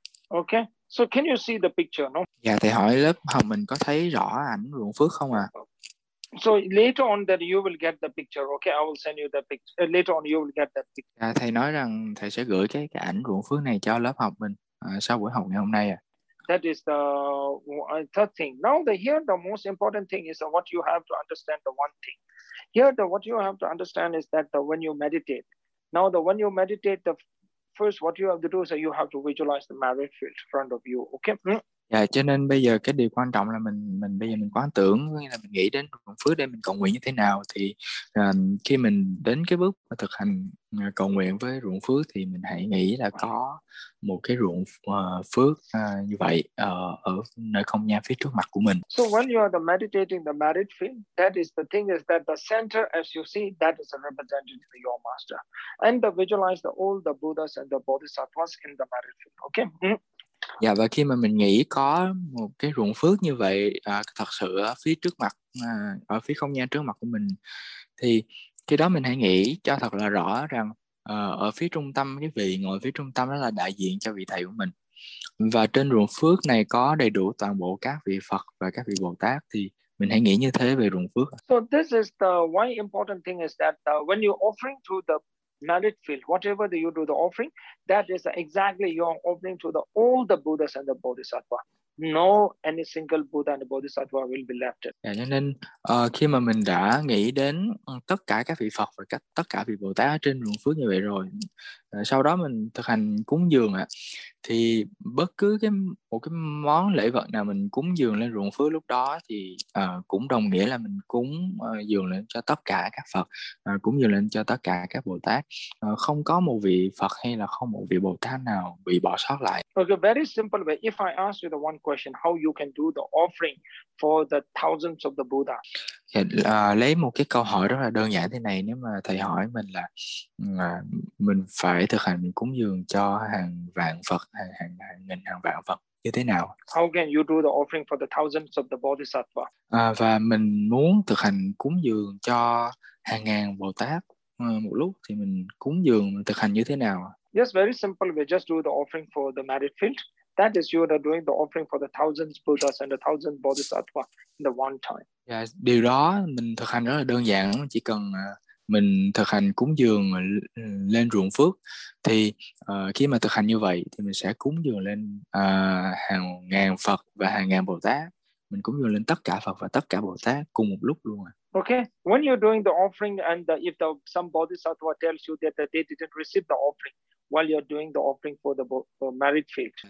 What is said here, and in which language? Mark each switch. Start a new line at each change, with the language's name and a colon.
English: Okay, so can you see the picture? No?
Vietnamese: Dạ, thầy hỏi lớp học mình có thấy rõ ảnh ruộng phước không à?
English: So later on that you will get the picture. Okay, I will send you the picture. Later on you will get that picture.
Vietnamese: Dạ, thầy nói rằng thầy sẽ gửi cái ảnh ruộng phước này cho lớp học mình sau buổi học ngày hôm nay à.
English: That is the third thing. Now the here the most important thing is what you have to understand the one thing. Here the what you have to understand is that the when you meditate. Now the when you meditate, the first what you have to do is you have to visualize the merit field in front of you. Okay.
Vietnamese: Yeah, cho nên bây giờ cái điều quan trọng là mình bây giờ mình quán tưởng, là mình nghĩ đến ruộng phước để mình cầu nguyện như thế nào, thì khi mình đến cái bước mà thực hành cầu nguyện với ruộng phước thì mình hãy nghĩ là có một cái ruộng phước như vậy ở nơi không gian phía trước mặt của mình.
English: So when you are the meditating the merit field, that is the thing is that the center as you see that is a representative of your master and the visualize the all the Buddhas and the Bodhisattvas in the merit field. Okay.
Vietnamese: Dạ, và khi mà mình nghĩ có một cái ruộng phước như vậy thật sự ở phía trước mặt, ở phía không gian trước mặt của mình, thì khi đó mình hãy nghĩ cho thật là rõ rằng ở phía trung tâm, cái vị ngồi phía trung tâm đó là đại diện cho vị thầy của mình. Và trên ruộng phước này có đầy đủ toàn bộ các vị Phật và các vị Bồ Tát, thì mình hãy nghĩ như thế về ruộng phước.
English: So this is the one important thing is that when you offering to the merit field, whatever you do the offering, that is exactly your opening to the all the Buddhas and the Bodhisattva. No any single Buddha and Bodhisattva will be left.
Vietnamese: Yeah, cho nên khi mà mình đã nghĩ đến tất cả các vị Phật và các tất cả vị Bồ Tát trên ruộng phước như vậy rồi, sau đó mình thực hành cúng dường thì bất cứ cái một cái món lễ vật nào mình cúng dường lên ruộng phước lúc đó thì cũng đồng nghĩa là mình cúng dường lên cho tất cả các Phật, cúng dường lên cho tất cả các Bồ Tát, không có một vị Phật hay là không một vị Bồ Tát nào bị bỏ sót lại.
English: Okay, very simple way. If I ask you the one question, how you can do the offering for the thousands of the Buddha?
Vietnamese: Lấy một cái câu hỏi rất là đơn giản thế này, nếu mà thầy hỏi mình là mình phải thực hành cúng dường cho hàng vạn Phật, hàng nghìn hàng vạn Phật như thế nào?
English: How can you do the offering for the thousands of the Bodhisattva?
Vietnamese: Và mình muốn thực hành cúng dường cho hàng ngàn Bồ Tát một lúc thì mình cúng dường thực hành như thế nào?
English: Yes, very simple. We just do the offering for the merit field. That is you are doing the offering for the thousands Buddhas and the thousands Bodhisattva in the one time.
Vietnamese: Yeah, điều đó mình thực hành rất là đơn giản, chỉ cần mình thực hành cúng dường lên ruộng phước thì khi mà thực hành như vậy thì mình sẽ cúng dường lên hàng ngàn Phật và hàng ngàn Bồ Tát, mình cúng dường lên tất cả Phật và tất cả Bồ Tát cùng một lúc luôn.
English: Okay, when you're doing the offering and if the some Bodhisattva tells you that they didn't receive the offering while you're doing the offering for the merit field.